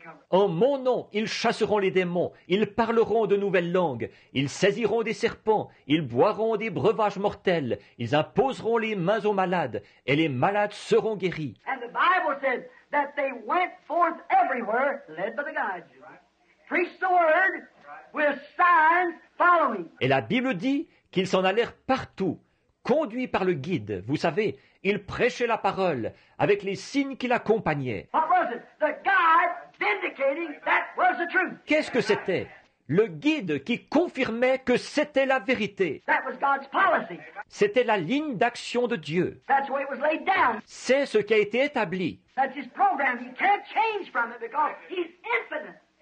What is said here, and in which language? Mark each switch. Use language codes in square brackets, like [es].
[fr] En mon nom, ils chasseront les démons, ils parleront de nouvelles langues, ils saisiront des serpents, ils boiront des breuvages mortels, ils imposeront les mains aux malades, et les malades seront guéris. [en] And the Bible says that they went forth everywhere, led by the guide. Preach the word with signs following. [fr] Et la Bible dit qu'ils s'en allèrent partout, conduits par le guide. Vous savez, ils prêchaient la parole avec les signes qui l'accompagnaient. [en] What was it? The guide vindicating that was the truth. [fr] Qu'est-ce que c'était? Le guide qui confirmait que c'était la vérité. [en] That was God's policy. [fr] C'était la ligne d'action de Dieu. [en] That's what it was laid down. [fr] C'est ce qui a été établi. [en] That's his program. He can't change from it because he's infinite.